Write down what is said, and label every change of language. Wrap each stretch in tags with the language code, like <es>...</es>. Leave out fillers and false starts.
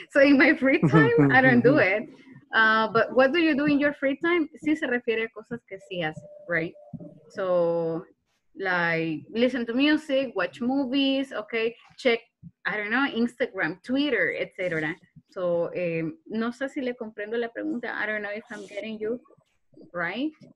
<en>So in my free time, I don't do it. But what do you do in your free time?</en> <es>Sí se refiere a cosas que sí haces,</es> <en>right? So like listen to music, watch movies, okay? Check, I don't know,</en> <es>Instagram, Twitter, etc. So no sé si le comprendo la pregunta.</es> <en>I don't know if I'm getting you, right?</en>